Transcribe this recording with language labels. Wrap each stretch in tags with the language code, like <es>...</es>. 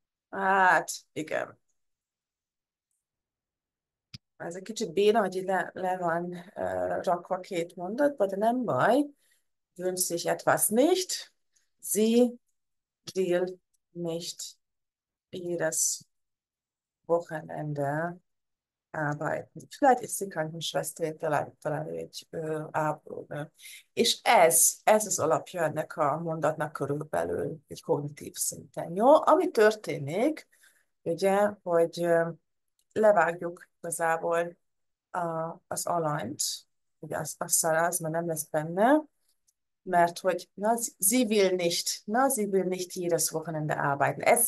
<hu>Hát, igen. Ez egy kicsit béna, hogy le van rakva két mondatba, de nem baj.</hu> <de>Wünscht sich etwas nicht. Sie will nicht jedes Wochenende arbeiten. Vielleicht ist sie Krankenschwester,</de> <hu>talán egy ápoló. És ez az alapja ennek a mondatnak körülbelül egy kognitív szinten. Jó, ami történik, ugye, hogy levágjuk igazából az alanyt, ugye az már nem lesz benne, mert hogy</hu> <de>sie will nicht jedes Wochenende arbeiten.</de>